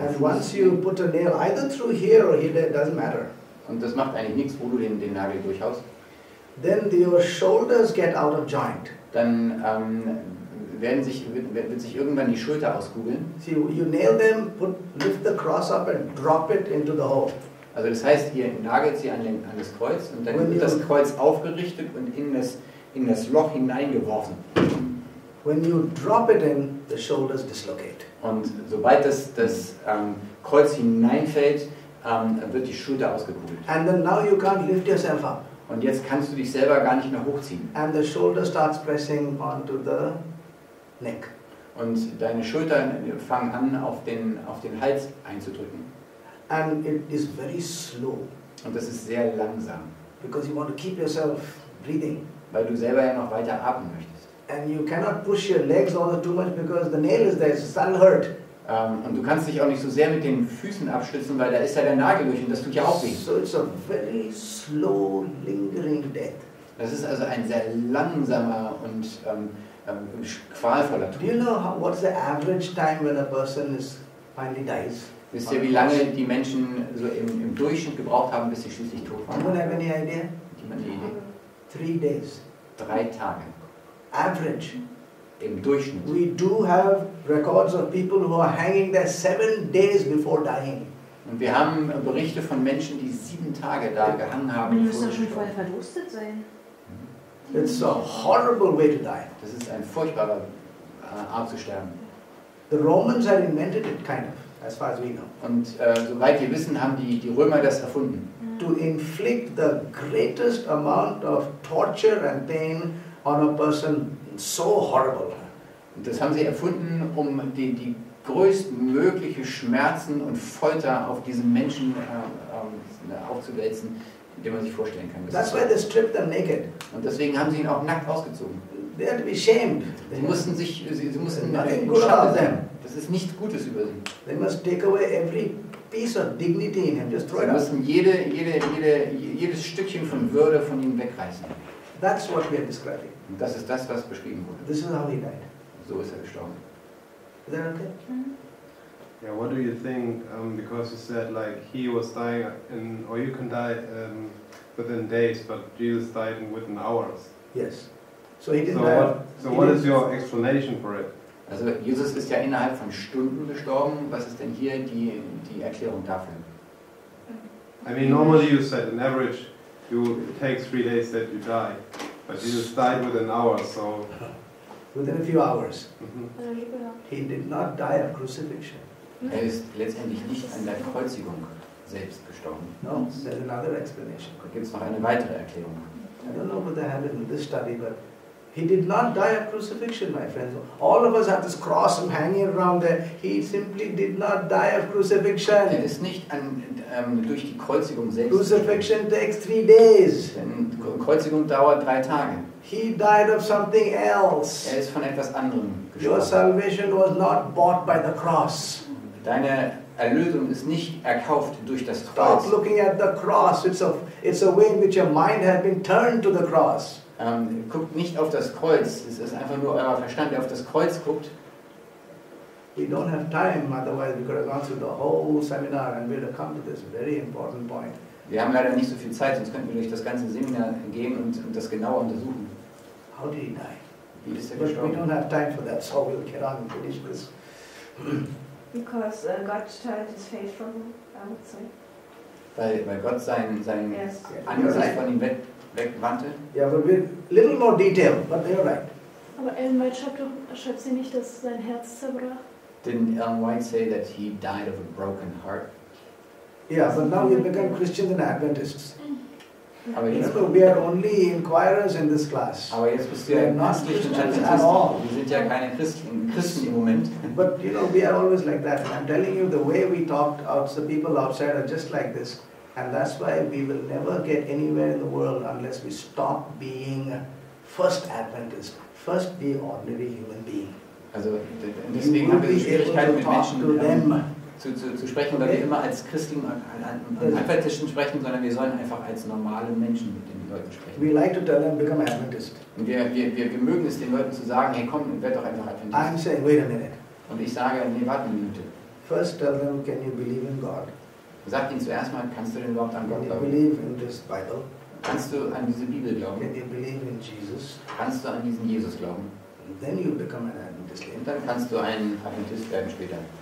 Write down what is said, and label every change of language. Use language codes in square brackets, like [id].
[de] Fuß. [en] And once you put a nail either through here or here, it doesn't matter. [de] Und das macht eigentlich nichts, wo du den Nagel durchhaust. [en] Then your shoulders get out of joint. [de] Dann wird sich irgendwann die Schulter auskugeln. [en] See, you nail them, lift the cross up and drop it into the hole. [de] Also das heißt, ihr nagelt sie an das Kreuz und dann wird das Kreuz aufgerichtet und in das Loch hineingeworfen. [en] When you drop it in, the shoulders dislocate. [de] Und sobald das Kreuz hineinfällt, wird die Schulter ausgekugelt. [en] And then now you can't lift yourself up. [de] Und jetzt kannst du dich selber gar nicht mehr hochziehen. [en] And the shoulder starts pressing onto the neck. [de] Und deine Schultern fangen an, auf den Hals einzudrücken. [en] And it is very slow. [de] Und das ist sehr langsam. [en] Because you want to keep yourself breathing. [de] Weil du selber ja noch weiter atmen möchtest. [en] And you cannot push your legs all too much because the nail is there, so that'll hurt. [de] Und du kannst dich auch nicht so sehr mit den Füßen abstützen, weil da ist ja der Nagel durch und das tut ja auch weh. [en] So it's a very slow lingering death. [de] Das ist also ein sehr langsamer und qualvoller Tod. [en] Do you know what's the average time when a person is finally dies? [de] Wisst ihr, wie lange die Menschen so im Durchschnitt gebraucht haben, bis sie schließlich tot waren? [en] Anyone have any idea? [de] Jemand eine Idee? [en] 3 days. [de] 3 Tage. [en] Average. [de] Im Durchschnitt. [en] We do have records of people who are hanging there 7 days before dying. [de] Und wir haben Berichte von Menschen, die 7 Tage da gehangen haben. Die müssen doch schon vorher verdurstet sein. [en] It's a horrible way to die. [de] Das ist ein furchtbarer Art zu sterben. [en] The Romans had invented it, kind of, as far as we know. [de] Und soweit wir wissen, haben die Römer das erfunden. Mm. [en] To inflict the greatest amount of torture and pain on a person so horrible. [de] Und das haben sie erfunden, um die größtmögliche Schmerzen und Folter auf diesen Menschen aufzuwälzen, den man sich vorstellen kann. [en] That's why they stripped them naked. [de] Und deswegen haben sie ihn auch nackt ausgezogen. [en] They had to be shamed. [de] Sie mussten [en] nothing good about them. [de] Das ist nichts Gutes über sie. [en] They must take away every piece of dignity in him, just throw it out. [de] Sie mussten jedes Stückchen von Würde von ihnen wegreißen. [en] That's what we are describing. [de] Und das ist das, was beschrieben wurde. [en] This is how he died. [de] So ist er gestorben. [en] Is that okay? Yeah, what do you think, because you said like he was dying, or you can die within days, but Jesus died within hours. Yes. So he didn't die. So what is your explanation for it? [de] Also Jesus ist ja innerhalb von Stunden gestorben. Was ist denn hier die Erklärung dafür? [en] I mean, normally you said on average you take 3 days that you die, but Jesus died within hours, so... Within a few hours. Mm-hmm. He did not die of crucifixion. [de] Er ist letztendlich nicht an der Kreuzigung selbst gestorben. [en] No, there's another explanation. [de] Da gibt es noch eine weitere Erklärung. [en] I don't know what they have in this study, but he did not die of crucifixion, my friends. All of us have this cross hanging around there. He simply did not die of crucifixion. [de] Er ist nicht durch die Kreuzigung selbst [en] crucifixion [de] gestorben. [en] Takes 3 days. [de] Denn Kreuzigung dauert 3 Tage. [en] He died of something else. [de] Er ist von etwas anderem gestorben. [en] Your salvation was not bought by the cross. [de] Deine Erlösung ist nicht erkauft durch das Kreuz. [en] Stop looking at the cross. It's a way in which your mind has been turned to the cross. [de] Guckt nicht auf das Kreuz. Es ist einfach nur euer Verstand, der auf das Kreuz guckt. [en] We don't have time, otherwise we could have gone through the whole seminar and we'd have come to this very important point. [de] Wir haben leider nicht so viel Zeit, sonst könnten wir durch das ganze Seminar gehen und das genau untersuchen. [en] How did he die? [de] Wie ist er gestorben? [en] But we don't have time for that, so we'll get on and finish this. Because God turned his face from him, I would say. [de] Weil Gott sein [en] yes. [de] Angesicht von ihm wegwandte. [en] Yeah, but with a little more detail, but they are right. [de] Aber Ellen White schreibt sie nicht, dass sein Herz zerbrach? [en] Didn't Ellen White say that he died of a broken heart? Yeah, but now we've become Christians and Adventists. We are only inquirers in this class. [de] Aber jetzt bist du ja nicht Christen [en] at all. [de] Wir sind ja keine Christen, Christen im Moment. [en] But you know, we are always like that. I'm telling you, the way we talk out, the people outside are just like this. And that's why we will never get anywhere in the world unless we stop being first Adventist, first be ordinary human being. [de] Also, deswegen haben wir Schwierigkeiten mit Menschen zu sprechen, weil wir immer als Christen an Adventisten sprechen, sondern wir sollen einfach als normale Menschen mit den Leuten sprechen. [en] We like to tell them, become Adventist. [de] Und wir mögen es den Leuten zu sagen, hey komm, werd doch einfach Adventist. [en] I'm saying, wait a minute. [de] Und ich sage, nee, warte eine Minute. [en] First tell them, can you believe in God? [de] Sag ihnen zuerst mal, kannst du denn überhaupt an Gott glauben? [en] Can you believe in this Bible? [de] Kannst du an diese Bibel glauben? [en] Can you believe in Jesus? [de] Kannst du an diesen Jesus glauben? [en] And then you become an Adventist. [de] Und dann kannst du ein Adventist werden später.